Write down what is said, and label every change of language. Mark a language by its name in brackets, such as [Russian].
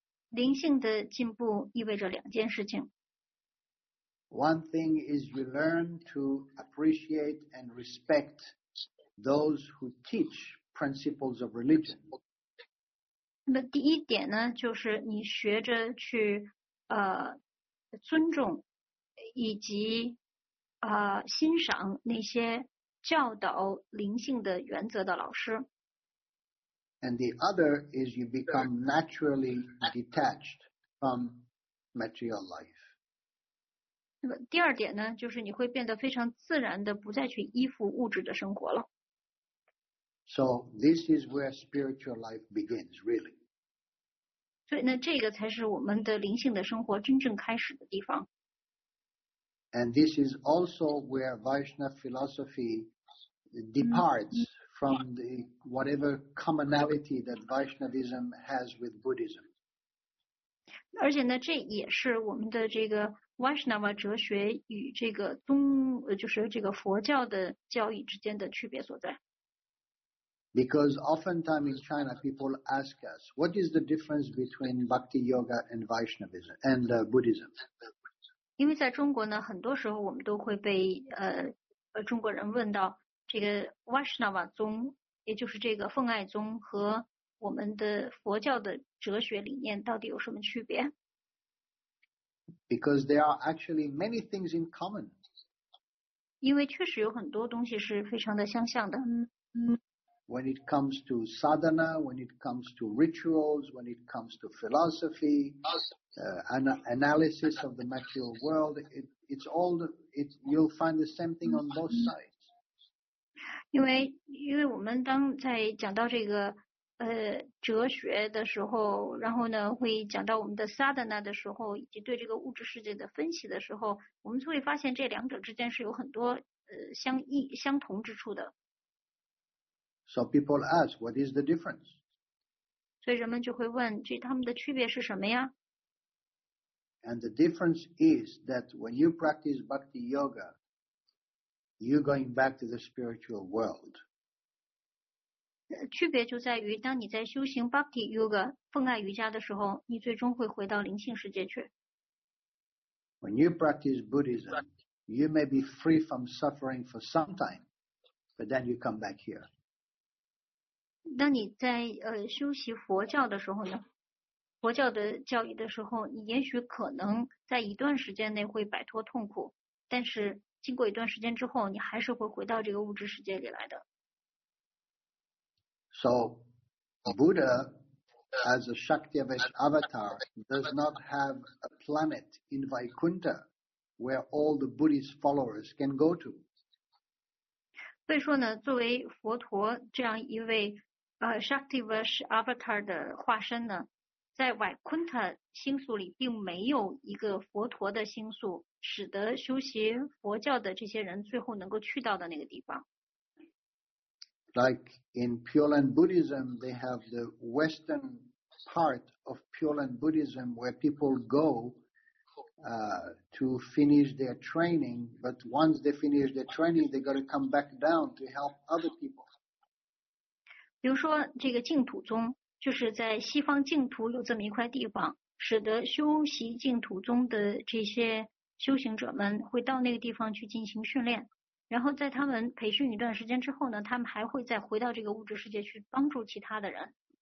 [Chinese] 灵性的进步意味着两件事情。 [English] One thing is you learn to appreciate and respect those who teach principles of religion. [Chinese] 那么第一点呢，就是你学着去尊重以及欣赏那些教导灵性的原则的老师。 [English] And the other is you become naturally detached from material life. [Chinese] 那么第二点呢，就是你会变得非常自然的，不再去依附物质的生活了。 [English] So this is where spiritual life begins, really. [Chinese] 所以呢，这个才是我们的灵性的生活真正开始的地方。 [English] And this is also where Vaishnava philosophy departs from the whatever commonality that Vaishnavism has with Buddhism. [Chinese] 而且呢，这也是我们的这个Vaishnava 哲学与这个宗，就是这个佛教的教义之间的区别所在。 [English] Because oftentimes in China, people ask us, "What is the difference between Bhakti Yoga and Vaishnavism and Buddhism?" [Chinese] 因为在中国呢，很多时候我们都会被中国人问到这个 Vaishnava 宗，也就是这个奉爱宗和我们的佛教的哲学理念到底有什么区别？ [English] Because there are actually many things in common. [Chinese] 因为确实有很多东西是非常的相像的。 [English] When it comes to sadhana, when it comes to rituals, when it comes to philosophy, analysis of the material world, you'll find the same thing on both sides. [Chinese] 因为我们当在讲到这个哲学的时候，然后呢会讲到我们的 sadhana 的时候，以及对这个物质世界的分析的时候，我们就会发现这两者之间是有很多相同之处的。 [English] So people ask, what is the difference? [Chinese] 所以人们就会问，这他们的区别是什么呀？ [English] And the difference is that when you practice bhakti yoga, you're going back to the spiritual world. [Chinese] 区别就在于，当你在修行 Bhakti Yoga 奉爱瑜伽的时候，你最终会回到灵性世界去。 [English] When you practice Buddhism, you may be free from suffering for some time, but then you come back here. [Chinese] 当你在修习佛教的时候呢，佛教的教义的时候，你也许可能在一段时间内会摆脱痛苦，但是经过一段时间之后，你还是会回到这个物质世界里来的。 [English] So Buddha, as a Shaktivesh avatar, does not have a planet in Vaikuntha where all the Buddhist followers can go to. [Chinese] 所以说呢，作为佛陀这样一位Shaktivesh avatar 的化身呢，在 Vaikuntha 星宿里并没有一个佛陀的星宿，使得修习佛教的这些人最后能够去到的那个地方。 [English] Like in Pure Land Buddhism, they have the western part of Pure Land Buddhism where people go to finish their training, but once they finish their training, they got to come back down to help other people. [Chinese] 比如说这个净土宗，就是在西方净土有这么一块地方，使得修习净土宗的这些修行者们会到那个地方去进行训练。然后在他们培训一段时间之后呢，他们还会再回到这个物质世界去帮助其他的人。